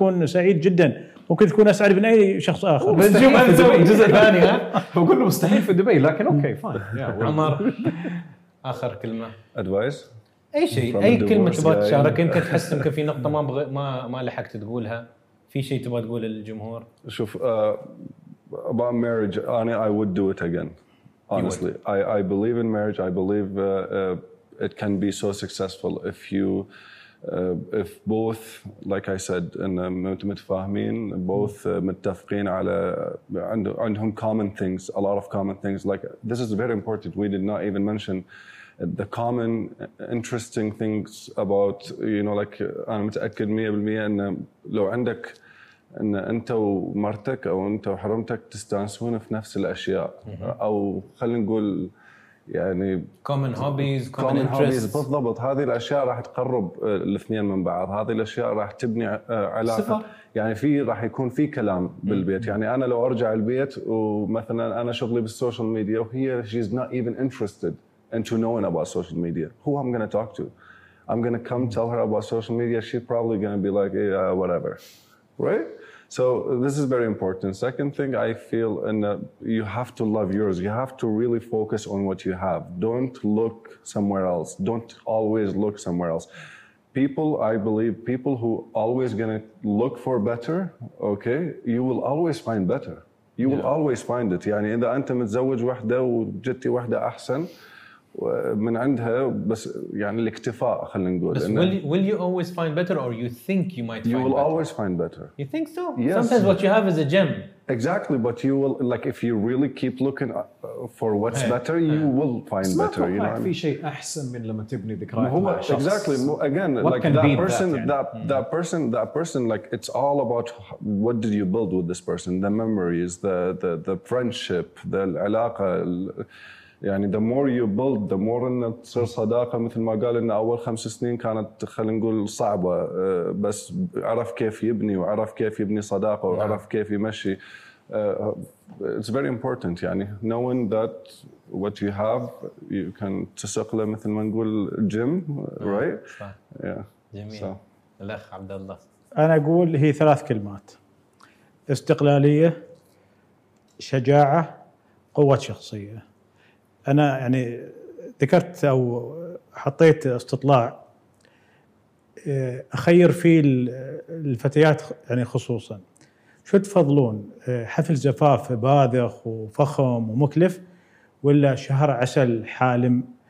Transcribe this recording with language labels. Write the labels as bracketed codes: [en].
[ar] تكون سعيد جدا ممكن تكون اسعد من اي شخص اخر بس يوم انزل جزء ثاني ها بقول له مستحيل في دبي لكن اوكي فاين. عمر اخر كلمه [en] advice [ar] اي شيء اي كلمه تبغى تشارك انت تحس انك في نقطه ما لحقت تقولها في شيء تبغى تقول للجمهور شوف [en] about marriage I would do it again honestly I believe in marriage I believe it can be so successful if you if both, like I said, and [ar] متفاهمين, [en] both [ar] متفقين على عندهم [en] common things, a lot of common things. Like this is very important. We did not even mention the common interesting things about, you know, like I'm [ar] متأكد 100% إن لو عندك إن أنت ومرتك أو أنت وحرمتك تستانسون في نفس الأشياء أو خلينا نقول يعني [en] common hobbies common interests [ar] بالضبط هذه الأشياء راح تقرب الاثنين من بعض هذه الأشياء راح تبني علاقة صفر. يعني في راح يكون في كلام بالبيت يعني أنا لو أرجع البيت ومثلا أنا شغلي بالسوشيال ميديا وهي [en] she's not even interested into knowing about social media who I'm gonna talk to I'm gonna come tell her about social media she's probably gonna be like yeah, whatever right So this is very important. Second thing, I feel and you have to love yours. You have to really focus on what you have. Don't look somewhere else. Don't always look somewhere else. People, I believe, people who always gonna look for better, okay, you will always find better. You will always find it. [ar] يعني إذا أنت متزوج واحدة وجدت واحدة أحسن من عندها بس يعني الاكتفاء خلينا نقول بس [en] will you always find better or you think you might find better you will always find better you think so yes. sometimes what you have is a gem exactly but you will like if you really keep looking for what's better you will find better you know [ar] في شيء احسن من لما تبني ذكريات هو [en] exactly again like that person that person like it's all about what did you build with this person the memories the friendship the [ar] العلاقه يعني [en] the more you build the more [ar] إن تصير صداقة مثل ما قال إن أول 5 سنين كانت خلينا نقول صعبة بس عرف كيف يبني وعرف كيف يبني صداقة وعرف كيف يمشي [en] it's very important [ar] يعني [en] knowing that what you have you can [ar] تسقله مثل ما نقول جيم right صح. [en] yeah [ar] جميل [en] so. [ar] الأخ عبد الله أنا أقول هي 3 كلمات استقلالية شجاعة قوة شخصية أنا يعني ذكرت أو حطيت استطلاع أخير فيه الفتيات يعني خصوصا شو تفضلون حفل زفاف باذخ وفخم ومكلف ولا شهر عسل حالم